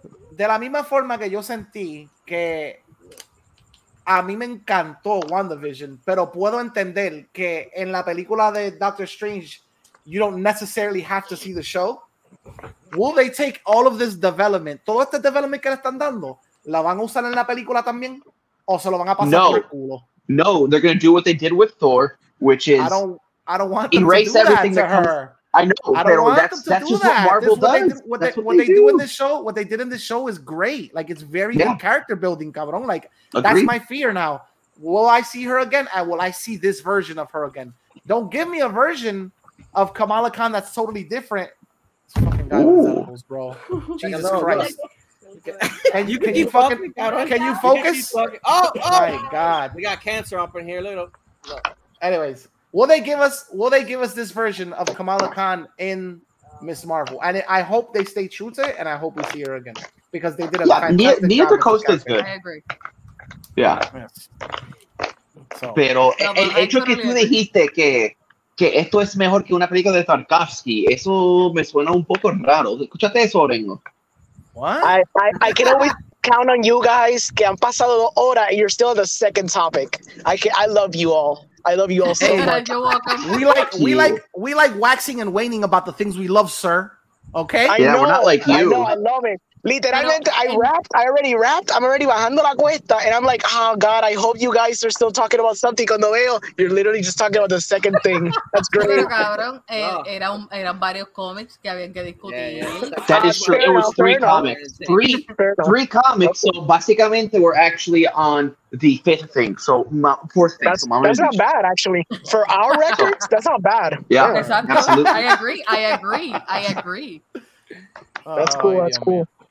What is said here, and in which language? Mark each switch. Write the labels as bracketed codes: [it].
[es] De la misma forma que yo sentí que a mí me encantó WandaVision, pero puedo entender que en la película de Doctor Strange, [en] you don't necessarily have to see the show. Will they take all of this development, [es] todo este development que le están dando, la van a usar en la película también? ¿O se lo van a pasar por el culo? [en] No, they're going to do what they did with Thor, which is I don't want them erase to do everything that to her. I know, I don't want them to that's do just that. What Marvel does. What they did in this show is great. Like, it's very good character building, cabrón. Like, agreed. That's my fear now. Will I see her again? And will I see this version of her again? Don't give me a version of Kamala Khan that's totally different. Animals, bro. Jesus Christ. And you can keep fucking can you focus? Oh my god. We got cancer up in here. Look. Anyways, will they give us this version of Kamala Khan in Miss Marvel? And I hope they stay true to it, and I hope we see her again. Because they did a fantastic Nia DaCosta is good. I agree. Yeah. [es] So pero tú dijiste que esto es mejor que una película de Tarkovsky. Eso me suena un poco raro. Escúchate eso, Orengo. [en] What? I can always count on you guys [es] que han pasado hora [en] and you're still on the second topic. I love you all. I love you all so much. You're welcome. We like waxing and waning about the things we love, sir. Okay? Yeah, we're not like you. I know, I love it. [es] Literalmente, [en] I already wrapped. I'm already [es] bajando la cuesta, [en] and I'm like, oh God, I hope you guys are still talking about something. [es] Cuando veo, [en] you're literally just talking about the second thing. That's great. [es] Pero cabrón, eran varios cómics que habían que discutir. [en] Yeah. That is true. It was three comics. Three comics. So [es] básicamente, [en] we're actually on the fifth thing. So fourth thing. That's not bad, actually. For our records, that's not bad. Yeah, exactly. Absolutely. I agree. That's cool.